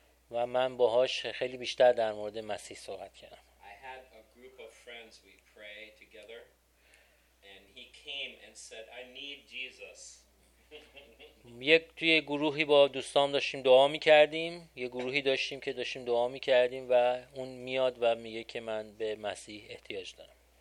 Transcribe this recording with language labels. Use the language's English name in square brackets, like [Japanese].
[Persian] و من باهاش خیلی بیشتر در مورد مسیح صحبت کردم. [English] I had a group of friends we pray together and he came and said I need Jesus. [Persian] یک توی گروهی با دوستان داشتیم دعا میکردیم یه گروهی داشتیم که داشتیم دعا میکردیم و اون میاد و میگه که من به مسیح احتیاج دارم.